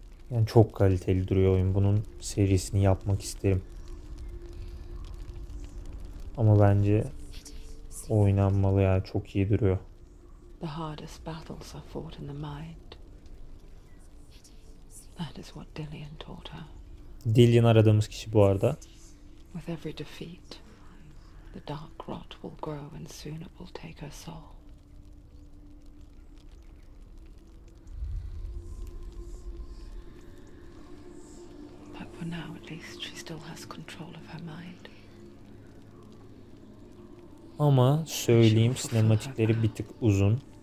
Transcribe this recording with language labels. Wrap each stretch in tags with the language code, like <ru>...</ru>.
<tr>Yani çok kaliteli duruyor oyun. Bunun serisini yapmak isterim. Ama bence oynanmalı ya, çok iyi duruyor.</tr> <en>The hardest battles are fought in the mind. That is what Dillian taught her.</en> <tr>Dillian aradığımız kişi bu arada.</tr> <en>With every defeat, the dark rot will grow and soon it will take her soul. But for now, at least, she still has control of her mind.</en> <tr>Ama söyleyeyim, sinematikleri bir tık uzun.</tr>